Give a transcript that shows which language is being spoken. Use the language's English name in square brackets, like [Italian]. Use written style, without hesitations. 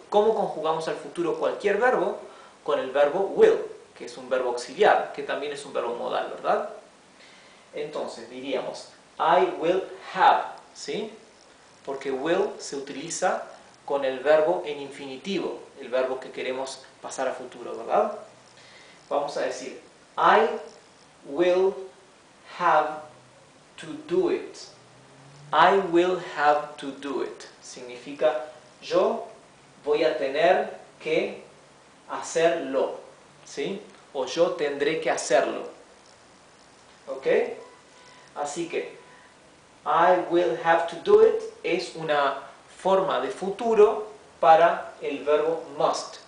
[Spanish] ¿Cómo conjugamos al futuro cualquier verbo? Con el verbo will, que es un verbo auxiliar, que también es un verbo modal, ¿verdad? Entonces, diríamos, [English] I will have, [Spanish] ¿sí? Porque will se utiliza con el verbo en infinitivo, el verbo que queremos pasar a futuro, ¿verdad? Vamos a decir, [English] I will have to do it. I will have to do it. [Spanish] Significa yo voy a tener que hacerlo. ¿Sí? O yo tendré que hacerlo. ¿Ok? Así que [English] I will have to do it [Spanish] es una forma de futuro para el verbo must,